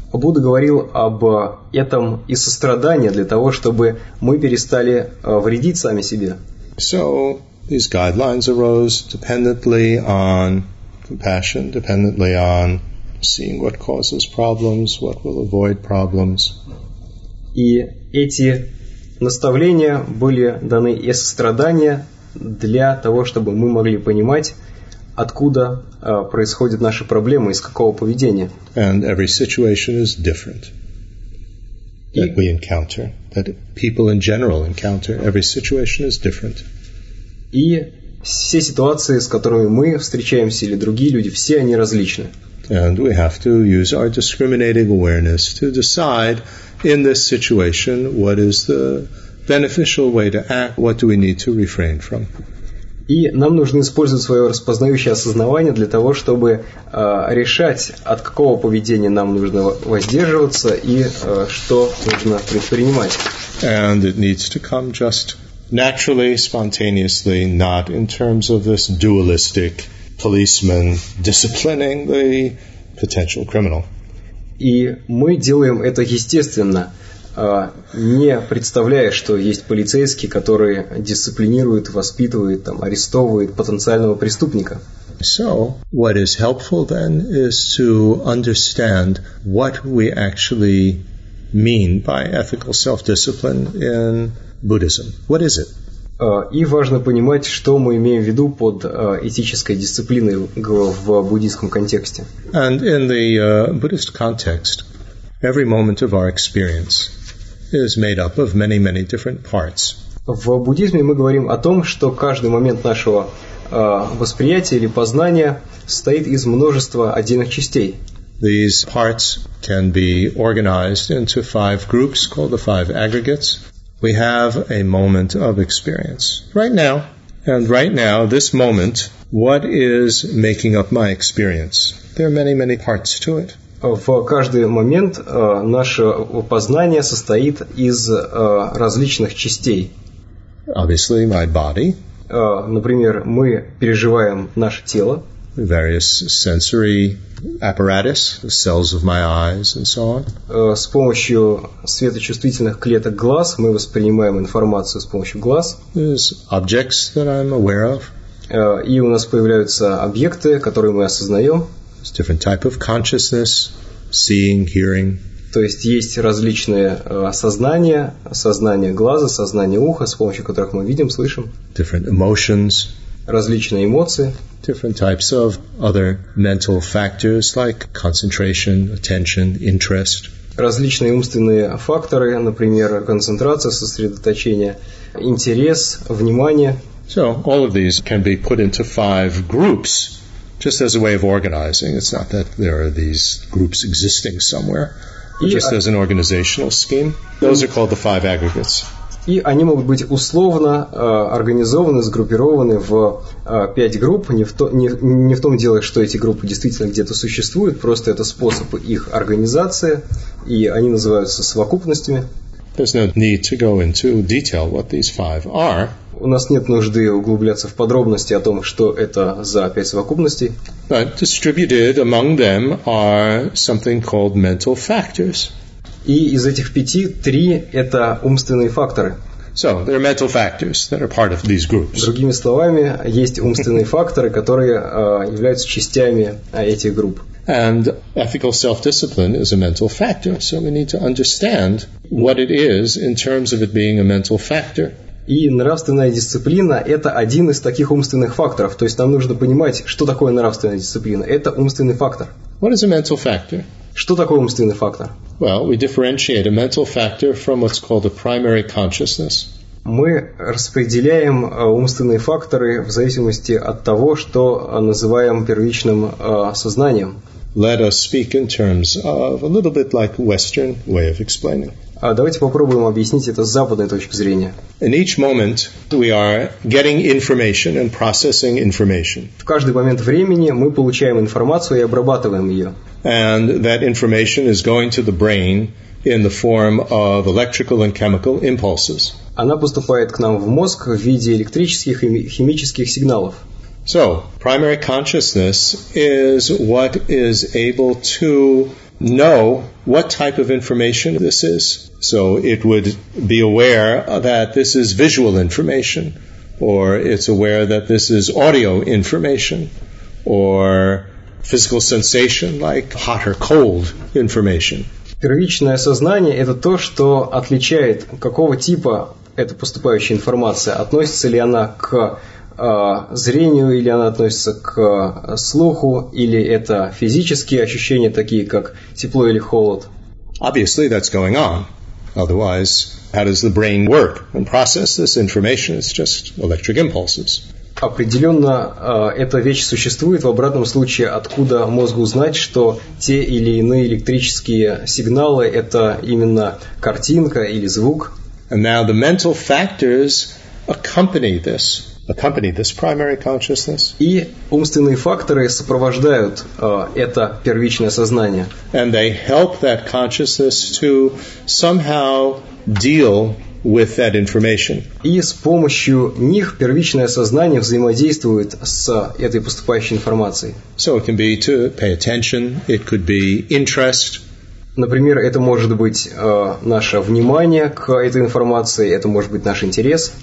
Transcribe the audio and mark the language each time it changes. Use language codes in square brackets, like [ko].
[ru] Будда говорил об этом из сострадания для того, чтобы мы перестали вредить сами себе. [en] So these guidelines arose dependently on compassion, dependently on seeing what causes problems, what will avoid problems. [ru] И эти наставления были даны из сострадания для того, чтобы мы могли понимать, откуда происходят наши проблемы, из какого поведения. [en] And every situation is different that we encounter, that people in general encounter. Every situation is different. [ru] И все ситуации, с которыми мы встречаемся, или другие люди, все они различны. [en] And we have to use our discriminating awareness to decide in this situation what is the beneficial way to act, what do we need to refrain from? [ru] И нам нужно использовать свое распознающее осознавание для того, чтобы решать, от какого поведения нам нужно воздерживаться и что нужно предпринимать. [en] And it needs to come just naturally, spontaneously, not in terms of this dualistic policeman disciplining the potential criminal. [ru] И мы делаем это естественно, не представляя, что есть полицейский, который дисциплинирует, воспитывает, там, арестовывает потенциального преступника. [en] So, what is helpful then is to understand what we actually mean by ethical self-discipline in Buddhism. What is it? [ru] И важно понимать, что мы имеем в виду под этической дисциплиной в буддийском контексте. [en] And in the Buddhist context, every moment of our experience is made up of many, many different parts. [ru] В буддизме мы говорим о том, что каждый момент нашего восприятия или познания состоит из множества отдельных частей. [en] These parts can be organized into five groups called the five aggregates. We have a moment of experience right now. And right now, this moment, what is making up my experience? There are many, many parts to it. [ru] В каждый момент наше познание состоит из различных частей. [en] Obviously, my body. [ru] Например, мы переживаем наше тело. [en] Various sensory apparatus, the cells of my eyes, and so on. [ru] С помощью светочувствительных клеток глаз мы воспринимаем информацию с помощью глаз. [en] There's objects that I'm aware of. [ru] И у нас появляются объекты, которые мы осознаем. [en] It's different type of consciousness, seeing, hearing. [ru] То есть есть различные сознания, сознание глаза, сознание уха, с помощью которых мы видим, слышим. [en] Different emotions. [ru] Различные эмоции. [en] Different types of other mental factors like concentration, attention, interest. [ru] Различные умственные факторы, например, концентрация, сосредоточение, интерес, внимание. [en] So all of these can be put into five groups, just as a way of organizing. It's not that there are these groups existing somewhere, but just as an organizational scheme. Those are called the five aggregates. [ru] И они могут быть условно организованы, сгруппированы в пять групп. Не в том дело, что эти группы действительно где-то существуют, просто это способ их организации, и они называются совокупностями. [en] There's no need to go into detail what these five are. [ru] У нас нет нужды углубляться в подробности о том, что это за пять совокупностей. [en] But distributed among them are something called mental factors. [ru] И из этих пяти, три – это умственные факторы. [en] So, there are mental factors that are part of these groups. [ru] Другими словами, есть умственные факторы, которые являются частями этих групп. [en] And ethical self-discipline is a mental factor, so we need to understand what it is in terms of it being a mental factor. [ru] И нравственная дисциплина – это один из таких умственных факторов. То есть нам нужно понимать, что такое нравственная дисциплина. Это умственный фактор. [en] What is a mental factor? [ru] Что такое умственный фактор? [en] Well, we differentiate a mental factor from what's called a primary consciousness. [ru] Мы распределяем умственные факторы в зависимости от того, что называем первичным сознанием. [en] Let us speak in terms of a little bit like Western way of explaining. [ru] Давайте попробуем объяснить это с западной точки зрения. [en] In each moment we are getting information and processing information. [ru] В каждый момент времени мы получаем информацию и обрабатываем ее. [en] And that information is going to the brain in the form of electrical and chemical impulses. [ru] Она поступает к нам в мозг в виде электрических и химических сигналов. [en] So, primary consciousness is what is able to know what type of information this is. So it would be aware that this is visual information, or it's aware that this is audio information, or physical sensation like hot or cold information. [ru] Первичное сознание – это то, что отличает, какого типа эта поступающая информация, относится ли она к зрению, или она относится к слуху, или это физические ощущения, такие как тепло или холод. [en] Obviously, that's going on. Otherwise, how does the brain work and process this information? It's just electric impulses. [ru] Определенно, эта вещь существует. В обратном случае, откуда мозгу знать, что те или иные электрические сигналы – это именно картинка или звук? [en] And now the mental factors accompany this primary consciousness. [ru] И умственные факторы сопровождают это первичное сознание. [en] And they help that consciousness to somehow deal with that information. [ru] И с помощью них первичное сознание взаимодействует с этой поступающей информацией. [en] So it can be to pay attention, it could be interest. [ru] Например, это может быть наше внимание к этой информации, это может быть наш интерес.